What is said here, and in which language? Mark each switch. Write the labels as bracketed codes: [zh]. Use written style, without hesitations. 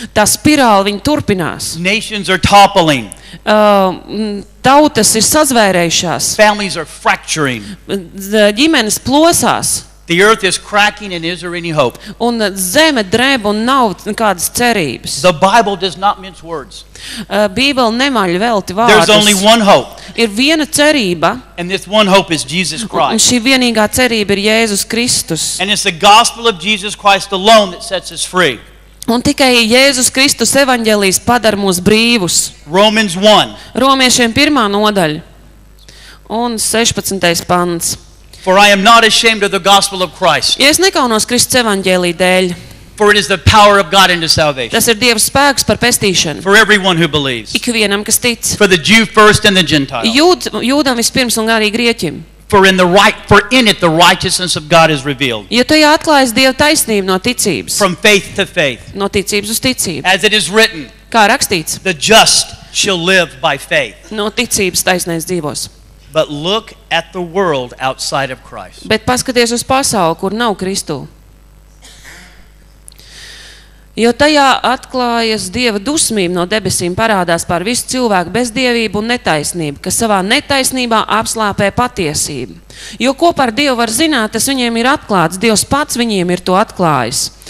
[lv] Tā spirāli viņa turpinās. [en] Nations are toppling. [lv] tautas ir sazvērējušās. [en] Families are fracturing. [lv] Ģimenes plosās. [en] The earth is cracking and is there any hope? [lv] Un zeme dreb un nav nekādas cerības. [en] The Bible does not mince words. [lv] Bībele nemaļ velti vārdus. [en] There's only one hope. [lv] Ir viena cerība. [en] And this one hope is Jesus Christ. [lv] Un šī vienīgā cerība ir Jēzus Kristus. [en] And it's the gospel of Jesus Christ alone that sets us free. [lv] Un tikai Jēzus Kristus evaņģēlijs padar mūs brīvus. [en] Romans 1. [lv] Romiešiem 1. Nodaļa. Un 16. Pants. [en] For I am not ashamed of the gospel of Christ. [lv] Ja es nekaunos Kristus evaņģēlī dēļ. [en] For it is the power of God unto salvation. [lv] Tas ir Dieva spēks par pestīšanu. [en] For everyone who believes. [lv] Ikvienam, kas tic. [en] For the Jew first and the Gentile. [lv] Jūdam vispirms un arī grieķim. [en] For in it the righteousness of God is revealed. [lv] Jo tajā atklājas Dieva taisnība no ticības. [en] From faith to faith. [lv] No ticības uz ticību. [en] As it is written. [lv] Kā rakstīts. [en] The just shall live by faith. [lv] No ticības taisnais dzīvos. [en] But look at the world outside of Christ. [lv] Bet paskaties uz pasauli, kur nav Kristu. Jo tajā atklājas Dieva dusmība no debesīm parādās par visu cilvēku bezdievību un netaisnību, kas savā netaisnībā apslāpē patiesību. Jo ko par Dievu var zināt, tas viņiem ir atklāts, Dievs pats viņiem ir to atklājis.